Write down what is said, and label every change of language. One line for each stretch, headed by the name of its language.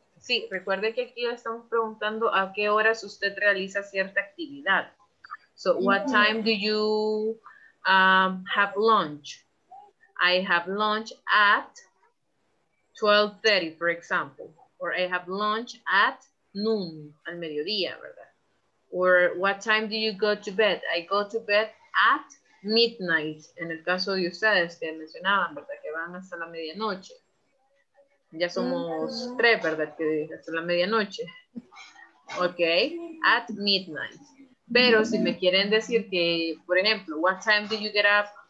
Spanish: Sí, recuerde que aquí estamos preguntando a qué horas usted realiza cierta actividad.
English: So, what time do you have lunch? I have lunch at 12:30, for example. Or I have lunch at noon,
Spanish: al mediodía,
English: ¿verdad? Or what time do you go to bed? I go to bed at midnight.
Spanish: En el caso de ustedes que mencionaban, ¿verdad? Que van hasta la medianoche. Ya somos tres, ¿verdad? Que hasta la medianoche.
English: Ok, at midnight.
Spanish: Pero si me quieren decir que, por ejemplo,
English: what time do you get up?